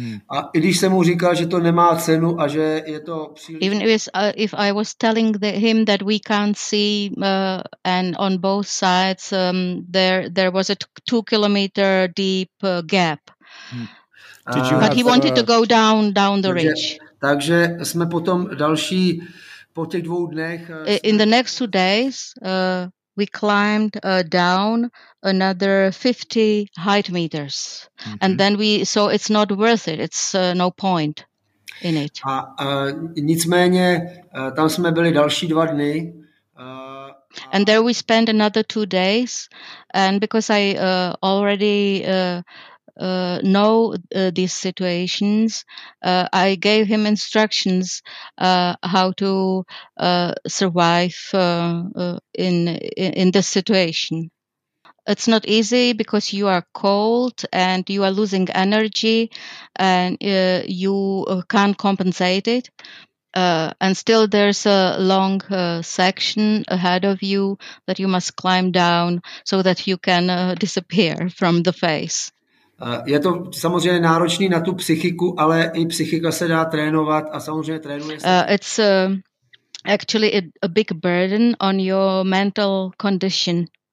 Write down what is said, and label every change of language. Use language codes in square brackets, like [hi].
[cs] A i když jsem mu říkal, že to nemá cenu a že je to příliš... [en] Even if I was telling him that we can't see and on both sides there was a 2-kilometer deep gap. But he wanted to go down the ridge. [cs] Takže jsme potom další po těch dvou dnech... [en] In the next two days we climbed down another 50 height meters. Mm-hmm. And then we saw it's not worth it. It's no point in it. [cs] A nicméně tam jsme byli další dva dny. [en] And there we spent another two days. And because I already know these situations, I gave him instructions how to survive in this situation. It's not easy because you are cold and you are losing energy and you can't compensate it. And still there's a long section ahead of you that you must climb down so that you can disappear from the face. [cs] Je to samozřejmě náročný na tu psychiku, ale i psychika se dá trénovat a samozřejmě trénuje se. [en] It's actually a big burden on your mental condition.